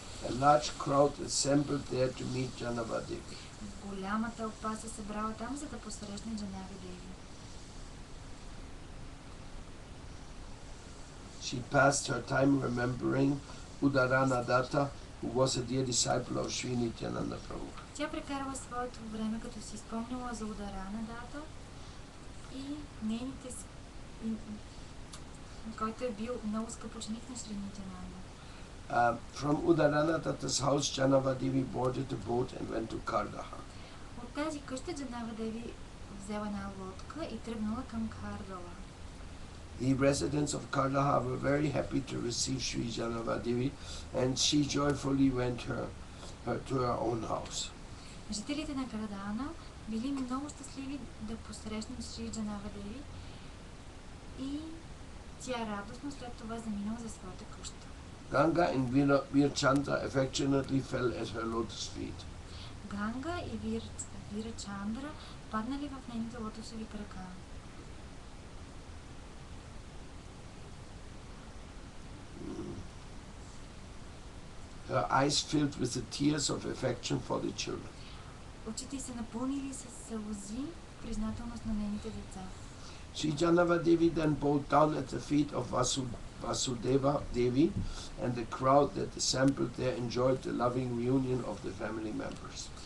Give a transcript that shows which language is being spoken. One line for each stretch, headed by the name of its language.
English: A large crowd assembled there to meet Janava Devi.
Bulgarian: Голяма тълпа се събрала там, за да посрещне Джанави Деви.
English: She passed her time remembering Udarana Datta, who was a dear disciple of Sri Nityananda Prabhu.
Bulgarian: Тя прекарала своето време, като си спомнила за Udarana Datta и нейните който е бил много скъп ученик на Sri Nityananda.
English: From Udaranatata's house, Janava Devi boarded a boat and went to Kardaha.
Bulgarian: От тази къща Джанава Деви взела една лодка и тръгнала към Кардала.
English: The residents of Kardaha were very happy to receive Sri Janava Devi, and she joyfully went to her own house.
Bulgarian: Жителите на Кардана били много щастливи да посрещнат Sri Janava Devi и тя радостно след това заминала за своята къща.
English: Ganga and Virchandra affectionately fell at her lotus feet.
Bulgarian: Ganga и Virchandra паднали в нейните лотосови крака.
English: Her eyes filled with the tears of affection for the children.
Bulgarian: Очите се напълнили със сълзи в признателност на нейните деца.
English: Sri Janava Devi then bowed down at the feet of Vasudeva Devi, and the crowd that assembled there enjoyed the loving reunion of the family members.